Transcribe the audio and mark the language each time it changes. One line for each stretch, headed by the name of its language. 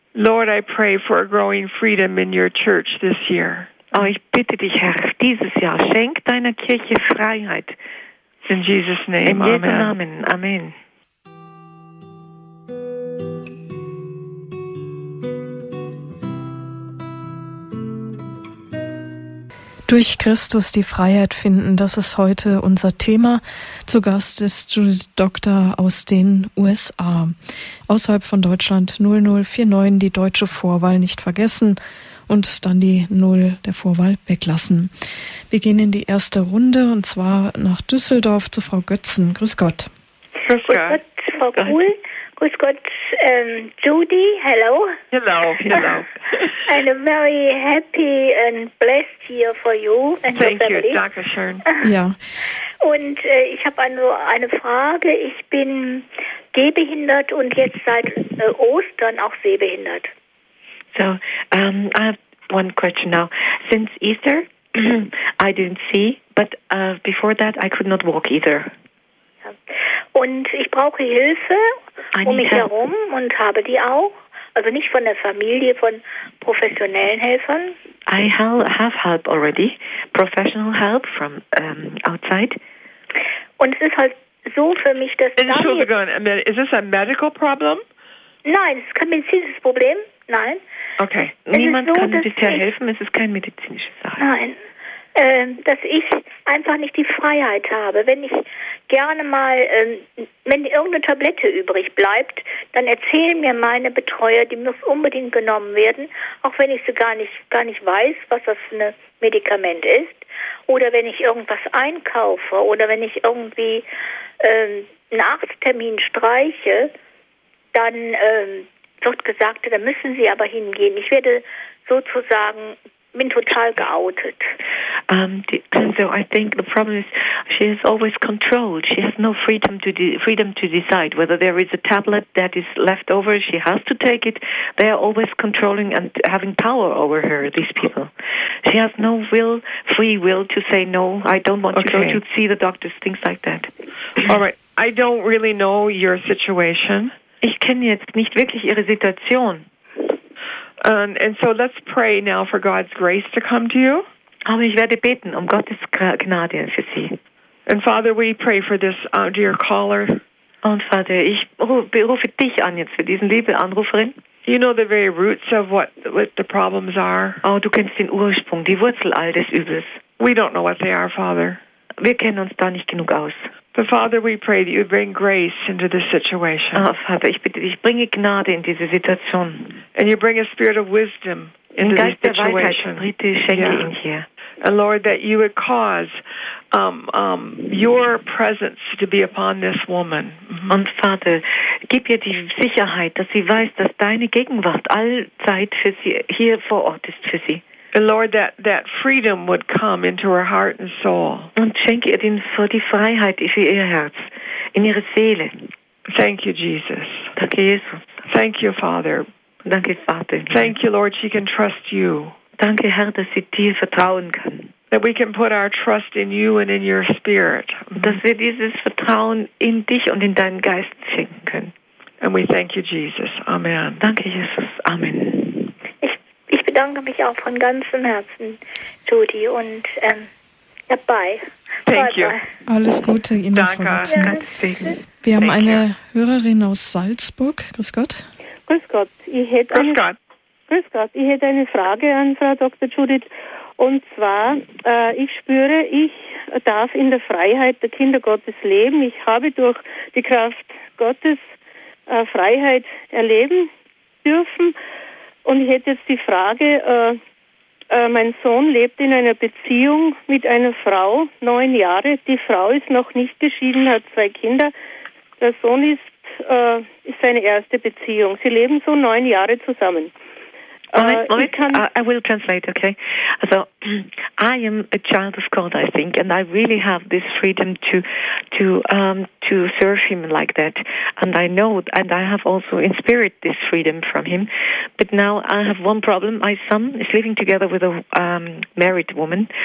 English: Lord, I pray for a growing freedom in your church this year.
German: Oh, ich bitte dich, Herr, dieses Jahr schenk deiner Kirche Freiheit.
English: In Jesus' name,
German: in Jesu Namen. Amen. Durch Christus die Freiheit finden, das ist heute unser Thema. Zu Gast ist Judith Doctor aus den USA. Außerhalb von Deutschland 0049, die deutsche Vorwahl nicht vergessen und dann die 0 der Vorwahl weglassen. Wir gehen in die erste Runde und zwar nach Düsseldorf zu Frau Götzen. Grüß Gott. Grüß Gott, Frau Kuhl. Grüß Gott, Judy.
English: Hello. Hello, hello. And a very happy and blessed year for you and Thank your family. Thank you, Dr. Schön.
German: Ja. Und ich habe eine Frage. Ich bin gehbehindert und jetzt seit Ostern auch sehbehindert.
English: So, I have one question now. Since Easter, I didn't see, but before that, I could not walk either.
German: Und ich brauche Hilfe um mich herum und habe die auch. Also nicht von der Familie, von professionellen Helfern.
English: I have help already. Professional help from outside.
German: Und es ist halt so für mich, dass... Entschuldigung,
English: is this a medical problem?
German: Nein, es ist kein medizinisches Problem. Nein.
English: Okay.
German: Niemand kann bisher helfen, es ist keine medizinische Sache. Nein. Dass ich einfach nicht die Freiheit habe. Wenn ich gerne mal, wenn irgendeine Tablette übrig bleibt, dann erzählen mir meine Betreuer, die muss unbedingt genommen werden, auch wenn ich sie gar nicht weiß, was das für ein Medikament ist. Oder wenn ich irgendwas einkaufe oder wenn ich irgendwie einen Arzttermin streiche, dann wird gesagt, da müssen Sie aber hingehen. Ich werde sozusagen... Bin total geoutet.
English: So I think the problem is she is always controlled. She has no freedom to decide whether there is a tablet that is left over. She has to take it. They are always controlling and having power over her, these people. She has no free will to say no, I don't want to go to see the doctors, things like that. All right. I don't really know your situation.
German: Ich kenne jetzt nicht wirklich ihre Situation.
English: And so let's pray now for God's grace to come to you.
German: Aber ich werde beten um Gottes Gnade für Sie.
English: And Father, we pray for this dear caller.
German: Und Vater, ich rufe dich an jetzt für diesen liebe Anruferin.
English: You know the very roots of what the problems are.
German: Oh, du kennst den Ursprung, die Wurzel all des Übels.
English: We don't know what they are, Father.
German: Wir kennen uns da nicht genug aus.
English: But Father, we pray that you bring grace into this situation.
German: Oh, Vater, ich bitte dich, bringe Gnade in diese Situation.
English: And you bring a spirit of wisdom into this situation.
German: Bitte schenke ihn hier.
English: And Lord, that you would cause your presence to be upon this woman.
German: Und Vater, gib ihr die Sicherheit, dass sie weiß, dass deine Gegenwart allzeit für sie hier vor Ort ist für sie.
English: And Lord, that freedom would come into her heart and soul.
German: Und schenke ihr den so die Freiheit für ihr Herz, in ihre Seele.
English: Thank you, Jesus.
German: Danke, Jesus.
English: Thank you, Father.
German: Danke, Vater.
English: Thank you, Lord, she can trust you.
German: Danke, Herr, dass sie dir vertrauen kann.
English: That we can put our trust in you and in your spirit.
German: Dass wir dieses Vertrauen in dich und in deinen Geist schenken können.
English: And we thank you, Jesus. Amen.
German: Danke, Jesus. Amen. Ich bedanke mich auch von ganzem Herzen, Judy, und bye.
English: Thank you.
German: Alles Gute Ihnen. Danke. Von Herzen. Ja. Wir haben eine Hörerin aus Salzburg. Grüß Gott. Grüß Gott. Grüß Gott. Ich hätte eine Frage an Frau Dr. Judith. Und zwar, ich spüre, ich darf in der Freiheit der Kinder Gottes leben. Ich habe durch die Kraft Gottes Freiheit erleben dürfen. Und ich hätte jetzt die Frage, mein Sohn lebt in einer Beziehung mit einer Frau, 9 Jahre. Die Frau ist noch nicht geschieden, hat 2 Kinder. Der Sohn ist seine erste Beziehung. Sie leben so 9 Jahre zusammen.
English: I will translate, okay? So, I am a child of God, I think, and I really have this freedom to serve Him like that. And I know, and I have also in spirit this freedom from Him. But now I have one problem. My son is living together with a married woman.